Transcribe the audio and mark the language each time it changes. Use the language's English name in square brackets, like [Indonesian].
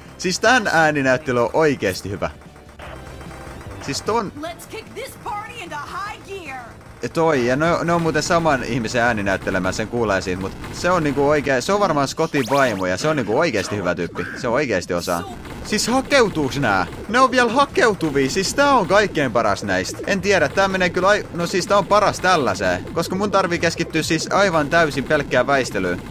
[Finnish] Siis tän ääninäyttely on oikeesti hyvä. Siis ton... [English] Let's kick this party into high gear. [Finnish] Toi, ja ne on muuten saman ihmisen ääninäyttelemään, sen kuulee siitä, mut se on niinku oikee, se on varmaan Scottin vaimo, ja se on niinku oikeesti hyvä tyyppi. Se on oikeesti osaa. Siis hakeutuuks nää? Ne on vielä hakeutuvia, siis tää on kaikkein paras näistä. En tiedä, tää menee kyllä tää on paras tällaiseen. Koska mun tarvii keskittyä siis aivan täysin pelkkään väistelyyn.